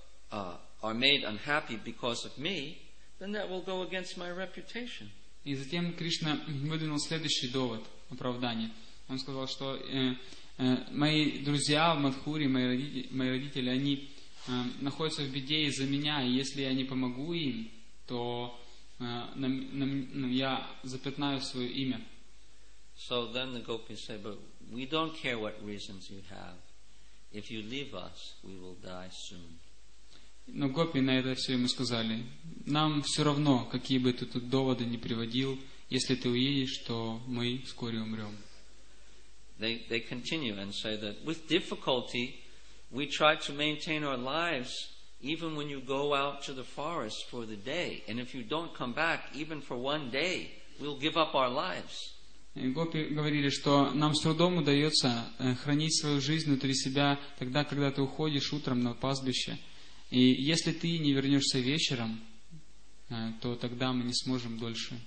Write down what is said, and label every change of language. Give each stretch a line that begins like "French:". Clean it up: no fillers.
English: are made unhappy because of me, then that will go against my reputation.
Russian: И затем Кришна выдвинул следующий довод оправдания. Он сказал, что мои друзья в Мадхуре, мои родители, они находятся в беде из-за меня, и если я не помогу им, то я запятнаю свое имя.
English: So then the gopis say, but we don't care what reasons you have. If you leave us, we will die soon.
Russian: Но гопи на это все ему сказали, нам все равно, какие бы ты тут доводы ни приводил, если ты уедешь, то мы вскоре умрем.
English: They continue and say that with difficulty we try to maintain our lives even when you go out to the forest for the day. And if you don't come back even for one day, we'll give up our lives.
Russian: И гопи говорили, что нам с трудом удается хранить свою жизнь внутри себя тогда, когда ты уходишь утром на пастбище. И если ты не вернешься вечером, то тогда мы не сможем дольше